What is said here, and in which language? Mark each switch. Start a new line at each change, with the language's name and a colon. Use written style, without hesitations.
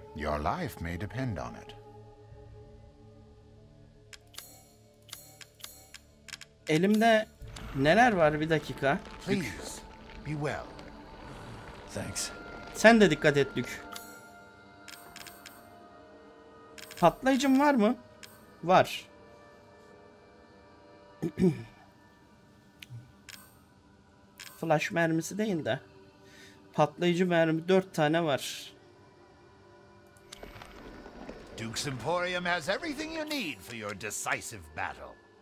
English: Your life may depend on it.
Turkish: 'Elimde neler var, bir dakika.
English: Please, be well. Thanks.
Turkish: Sen de dikkat et, Dük. Patlayıcım var mı? Var. Flash mermisi değil de. Patlayıcı mermi 4 tane var.
English: Duke's Emporium has everything you need for your decisive battle.